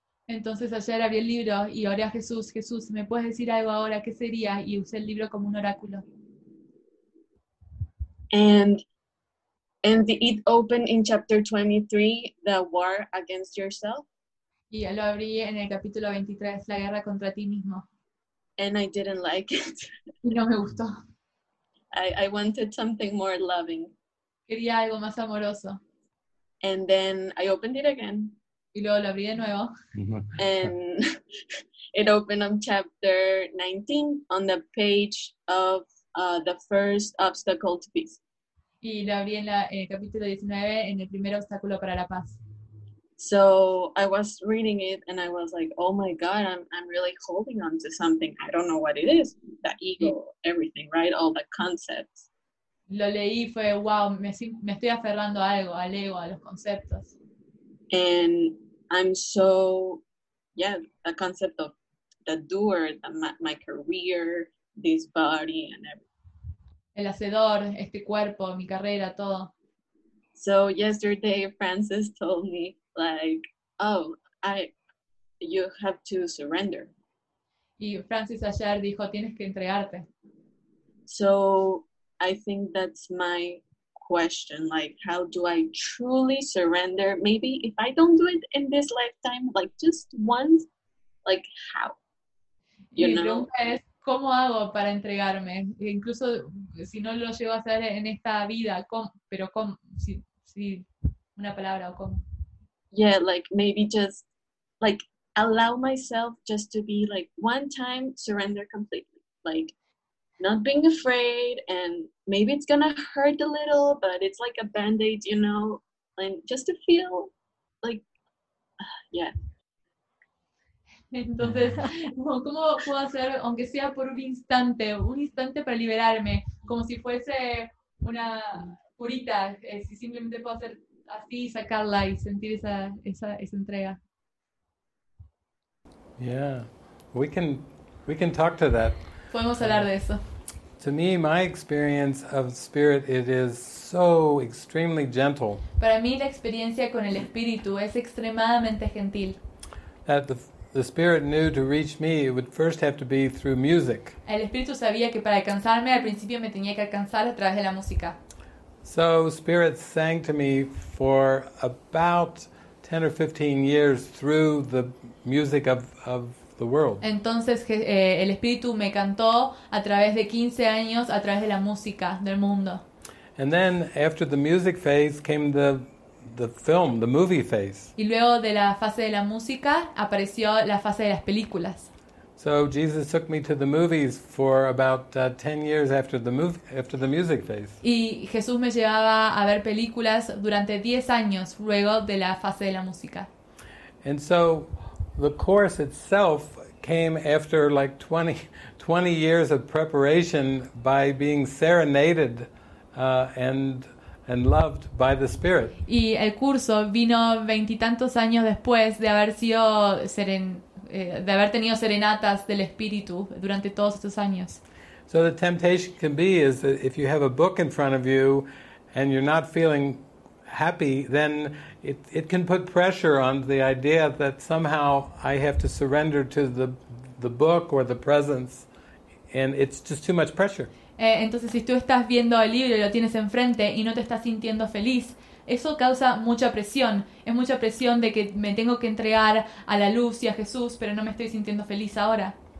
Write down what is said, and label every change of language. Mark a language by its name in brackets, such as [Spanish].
[Spanish] Entonces ayer abrí el libro y oré a Jesús, Jesús, ¿me puedes decir algo ahora? ¿Qué sería? Y usé el libro como un oráculo. [English] And it opened in chapter 23, the war against yourself. [Spanish] Y lo abrí en el capítulo 23, la guerra contra ti mismo. [English] And I didn't like it. [Spanish] Y no me gustó. [English] I wanted something more loving. [Spanish] Quería algo más amoroso. [English] And then I opened it again. [Spanish] Y luego lo abrí de nuevo. [English] And it opened on chapter 19 on the page of the first obstacle to peace. [Spanish] Y lo abrí en el capítulo 19 en el primer obstáculo para la paz. [English] So I was reading it and I was like, oh my God, I'm really holding on to something. I don't know what it is. The ego, everything, right? All the concepts. [Spanish] Lo leí y fue, wow, me estoy aferrando a algo, al ego, a los conceptos. [English] And I'm so, yeah, the concept of the doer, my career, this body and everything. [Spanish] El hacedor, este cuerpo, mi carrera, todo. [English] So yesterday Francis told me, like, oh, you have to surrender. [Spanish] Y Francis ayer dijo, tienes que entregarte. [English] So I think that's my question, like, how do I truly surrender? Maybe if I don't do it in this lifetime, like just once, like how? You know? [Spanish] ¿Cómo hago para entregarme? Incluso si no lo llego a hacer en esta vida, ¿cómo? Pero ¿cómo? Si una palabra o cómo. [English] Yeah, like maybe just like allow myself just to be like one time surrender completely, like not being afraid, and maybe it's gonna hurt a little, but it's like a band-aid, you know, and just to feel like, yeah. [Spanish] Entonces, ¿cómo hacer, aunque sea por un instante para liberarme, como si fuese una curita, si simplemente puedo hacer así, sacarla y sentir esa entrega? [English] Yeah, we can talk to that. [Spanish] Podemos hablar de eso. [English] To me, my experience of spirit, it is so extremely gentle. [Spanish] Para mí, la experiencia con el espíritu es extremadamente gentil. [English] The spirit knew to reach me, it would first have to be through music. [Spanish] El espíritu sabía que para alcanzarme al principio me tenía que alcanzar a través de la música. [English] So spirit sang to me for about 10 or 15 years through the music of the world. [Spanish] Entonces el espíritu me cantó a través de 15 años a través de la música del mundo. [English] And then after the music phase came the film, the movie phase. [Spanish] Y luego de la fase de la música apareció la fase de las películas. [English] So Jesus took me to the movies for about 10 years after the music phase. [Spanish] Y Jesús me llevaba a ver películas durante 10 años luego de la fase de la música. [English] And so the course itself came after like 20 years of preparation by being serenaded and loved by the Spirit. [Spanish] Y el curso vino veintitantos años después de haber sido de haber tenido serenatas del Espíritu durante todos estos años. [English] So the temptation can be is that if you have a book in front of you and you're not feeling happy, then it can put pressure on the idea that somehow I have to surrender to the book or the presence, and it's just too much pressure. [Spanish] Entonces, si tú estás viendo el libro y lo tienes enfrente y no te estás sintiendo feliz, eso causa mucha presión. Es mucha presión de que me tengo que entregar a la luz y a Jesús, pero no me estoy sintiendo feliz ahora.